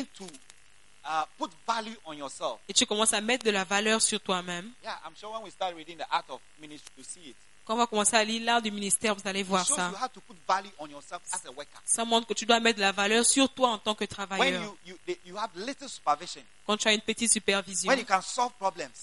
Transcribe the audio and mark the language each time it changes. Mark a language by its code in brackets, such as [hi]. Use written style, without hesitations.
[en] And you begin to put value on yourself. [fr] Et tu commences à mettre de la valeur sur toi-même. [en] Yeah, I'm sure when we start reading the art of ministry, you see it. [fr] Quand on va commencer à lire l'art du ministère, vous allez voir ça. [en] You have to put value on yourself as a worker. [fr] Ça montre que tu dois mettre de la valeur sur toi en tant que travailleur. [en] When you have little supervision. [fr] Quand tu as une petite supervision. [en] When you can solve problems.